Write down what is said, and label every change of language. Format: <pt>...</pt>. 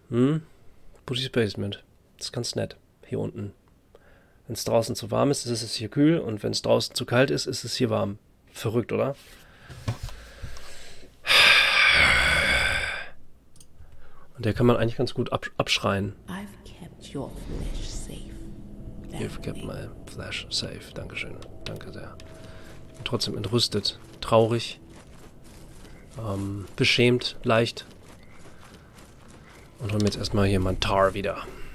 <de>Hm? Buddy's Basement. Das ist ganz nett. Hier unten. Wenn es draußen zu warm ist, ist es hier kühl. Und wenn es draußen zu kalt ist, ist es hier warm. Verrückt, oder? Und der kann man eigentlich ganz gut abschreien.</de> <en>I've kept your flesh safe. You've kept my flesh safe.</en> <de>Dankeschön. Danke sehr. Bin trotzdem entrüstet. Traurig. Beschämt. Leicht. Und hol mir jetzt erstmal hier mein Tar wieder.</de>